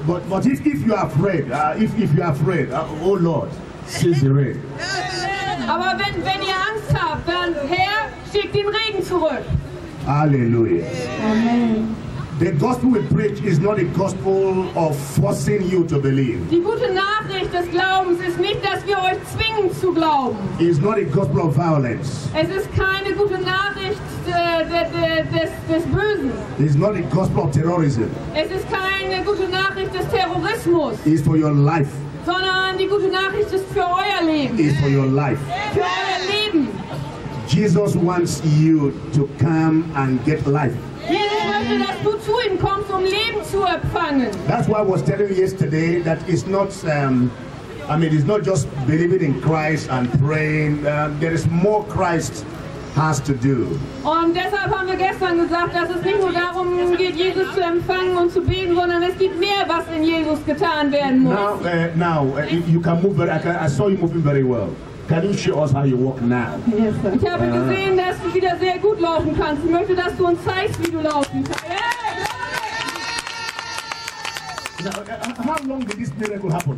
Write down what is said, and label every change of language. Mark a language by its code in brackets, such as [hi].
[en] But if you are afraid, oh Lord, send the rain. [de] Aber wenn ihr Angst habt, dann Herr, schickt den Regen zurück. [en] Hallelujah. Amen. The gospel we preach is not a gospel of forcing you to believe. [de] Die gute Nachricht des Glaubens ist nicht, dass wir euch zwingen zu glauben. [en] It's not a gospel of violence. [de] Es ist keine gute Nachricht des Bösen. [en] It's not a gospel of terrorism. [de] Es ist keine gute Nachricht des Terrorismus. [en] It's for your life. [de] Sondern die gute Nachricht ist für euer Leben. [en] It's for your life. [de] Für euer Leben. [en] Jesus wants you to come and get life. [de] Dass du zu ihm kommst, um Leben zu empfangen. [en] That's why I was telling you yesterday that it's not, it's not just believing in Christ and praying. There is more Christ has to do. [de] Und deshalb haben wir gestern gesagt, dass es nicht nur darum geht, Jesus zu empfangen und zu beten, sondern es gibt mehr, was in Jesus getan werden muss. [en] Now, you can move. I saw you moving very well. Can you show us how you walk now? Yes, sir. [de] Ich habe gesehen, dass du wieder sehr gut laufen kannst. Ich möchte, dass du uns zeigst, wie du laufen kannst. [en] Yeah. Now, how long did this miracle happen?